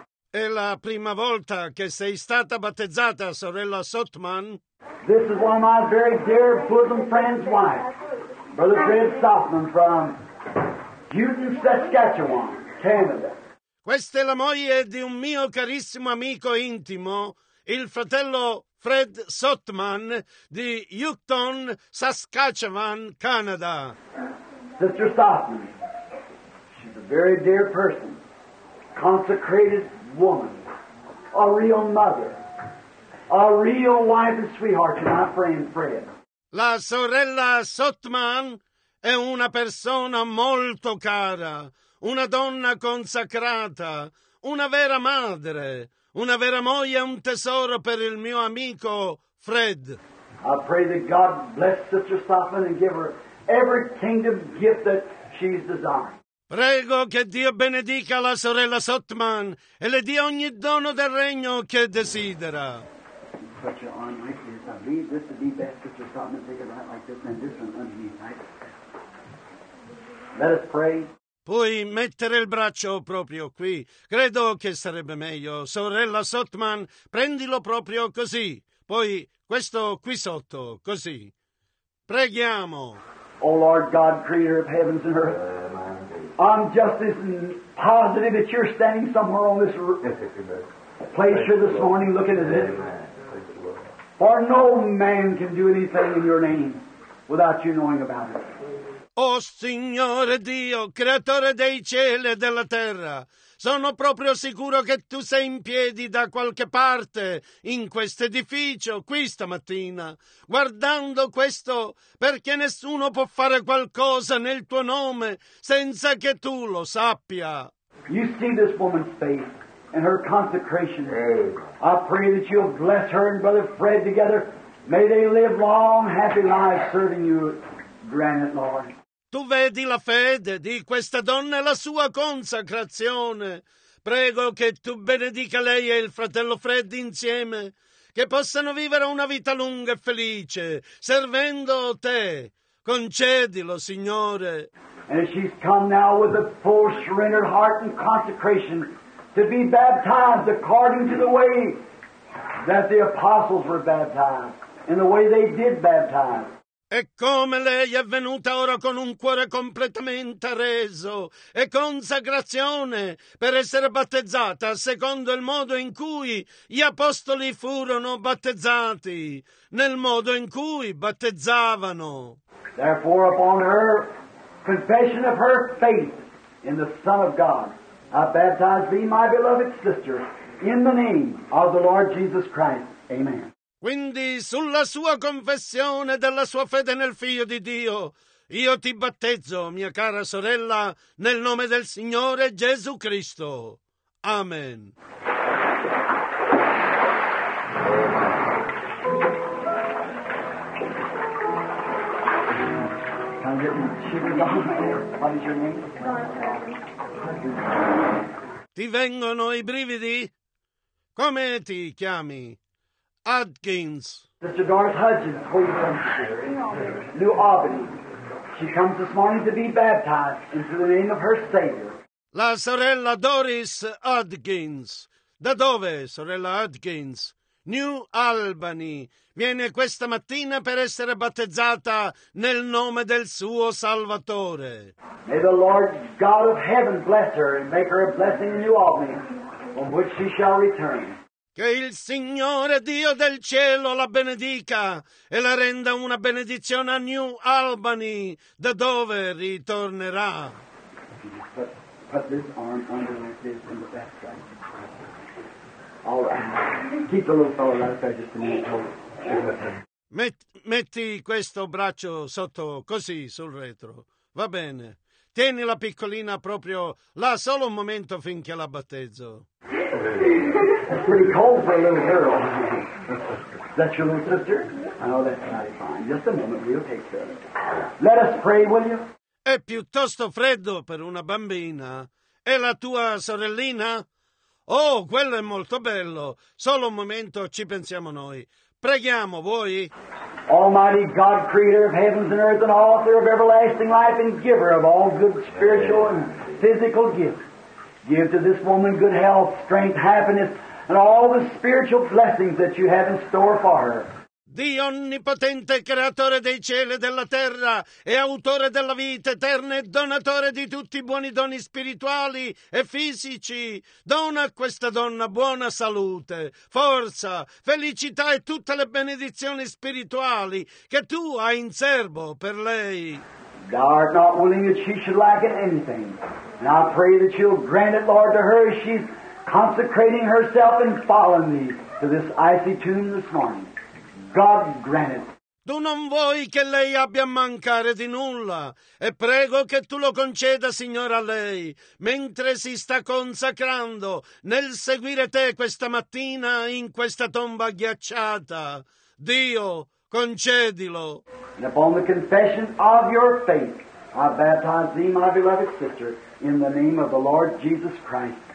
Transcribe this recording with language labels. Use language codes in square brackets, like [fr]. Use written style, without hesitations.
[it] È la prima volta che sei stata battezzata, sorella Sotman? [en] This is one of my very dear bosom friend's wife, Brother Fred Sotman from Houston, Saskatchewan, Canada. [it] Questa è la moglie di un mio carissimo amico intimo, il fratello Fred Sotman di Houston, Saskatchewan, Canada. [en] Sister Sotman, she's a very dear person, consecrated woman, a real mother, a real wife and sweetheart to my friend Fred. [it] La sorella Sotman è una persona molto cara, una donna consacrata, una vera madre. Una vera moglie è un tesoro per il mio amico Fred. [en] I pray that God bless Sister Sotman and give her every kingdom gift that she's desired. [it] Prego che Dio benedica la sorella Sotman e le dia ogni dono del regno che desidera. [en] Put your arm like this. I believe this would be best, Sister Sotman, take it right like this, and this one underneath, right? Let us pray. [it] Puoi mettere il braccio proprio qui. Credo che sarebbe meglio. Sorella Sotman, prendilo proprio così. Poi questo qui sotto, così. Preghiamo. [en] O Lord God, creator of heavens and earth, I'm just as positive that you're standing somewhere on this place here this morning looking at this. For no man can do anything in your name without you knowing about it. [it] Oh Signore Dio, creatore dei cieli e della terra, sono proprio sicuro che tu sei in piedi da qualche parte in questo edificio qui stamattina, guardando questo, perché nessuno può fare qualcosa nel tuo nome senza che tu lo sappia. [en] You see this woman's faith and her consecration. I pray that you'll bless her and Brother Fred together. May they live long, happy lives serving you, granted Lord. [it] Tu vedi la fede di questa donna e la sua consacrazione. Prego che tu benedica lei e il fratello Fred insieme, che possano vivere una vita lunga e felice, servendo te. Concedilo, Signore. [en] And she's come now with a full surrendered heart and consecration to be baptized according to the way that the apostles were baptized, in the way they did baptize. [it] E come lei è venuta ora con un cuore completamente reso e consacrazione per essere battezzata secondo il modo in cui gli apostoli furono battezzati, nel modo in cui battezzavano. [en] Therefore, upon her confession of her faith in the Son of God, I baptize thee, my beloved sister, in the name of the Lord Jesus Christ. Amen. [it] Quindi, sulla sua confessione della sua fede nel Figlio di Dio, io ti battezzo, mia cara sorella, nel nome del Signore Gesù Cristo. Amen. Ti vengono i brividi? Come ti chiami? [en] Adkins. Sister Doris Hudgens, where you come from? New Albany. She comes this morning to be baptized into the name of her Savior. [it] La sorella Doris Adkins. Da dove, sorella Adkins? [en] New Albany. [it] Viene questa mattina per essere battezzata nel nome del suo Salvatore. [en] May the Lord God of heaven bless her and make her a blessing in New Albany, on which she shall return. [it] Che il Signore Dio del cielo la benedica e la renda una benedizione a New Albany, da dove ritornerà. [en] Put this arm under like this in the back side. All right. Keep the little fellow right there just a minute. [it] Metti questo braccio sotto, così, sul retro. Va bene. Tieni la piccolina proprio là solo un momento finché la battezzo. [en] That's pretty cold for a little girl. That's your little sister? I know that's not fine. Just a moment, we'll take care. Let us pray, will you? [it] È piuttosto freddo per una bambina. È la tua sorellina? Oh, quello è molto bello. Solo un momento, ci pensiamo noi. Preghiamo, voi? [en] Almighty God, creator of heavens and earth and author of everlasting life and giver of all good spiritual and physical gifts, give to this woman good health, strength, happiness, and all the spiritual blessings that you have in store for her. [it] Dio onnipotente, creatore dei cieli e della terra, e autore della vita eterna e donatore di tutti i buoni doni spirituali e fisici, dona a questa donna buona salute, forza, felicità e tutte le benedizioni spirituali che tu hai in serbo per lei. [en] Thou art not willing that she should lack in anything. And I pray that you'll grant it, Lord, to her as she's consecrating herself and following thee to this icy tomb this morning. God grant it. [it] Tu non vuoi che lei abbia a mancare di nulla, e prego che tu lo conceda, Signore, a lei, mentre si sta consacrando nel seguire te questa mattina in questa tomba ghiacciata. Dio, concedilo. [en] And upon the confession of your faith, I baptize thee, my beloved sister, in the name of the Lord Jesus Christ.